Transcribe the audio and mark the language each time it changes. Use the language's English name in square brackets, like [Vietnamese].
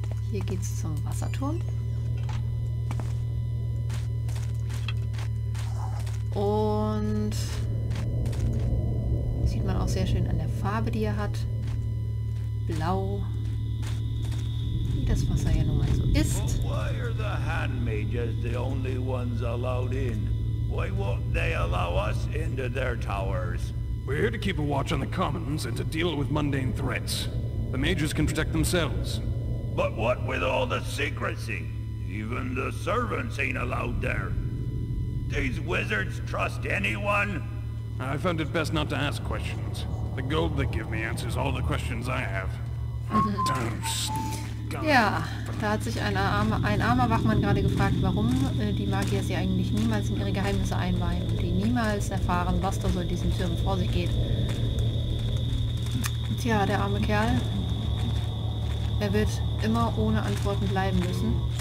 [German] Hier geht's zum Wasserturm. Und sieht man auch sehr schön an der Farbe, die er hat. Blau, wie das Wasser ja nun mal so ist. [English] Why are the handmaids the only ones allowed in? Why won't they allow us into their towers? We're here to keep a watch on the commons and to deal with mundane threats. The mages can protect themselves. But what with all the secrecy? Even the servants ain't allowed there. These wizards trust anyone? I found it best not to ask questions. The gold they give me answers all the questions I have. [German] Ja, da hat sich ein armer Wachmann gerade gefragt, warum die Magier sie eigentlich niemals in ihre Geheimnisse einweihen und die niemals erfahren, was da so in diesen Türmen vor sich geht. Tja, der arme Kerl. Er wird immer ohne Antworten bleiben müssen.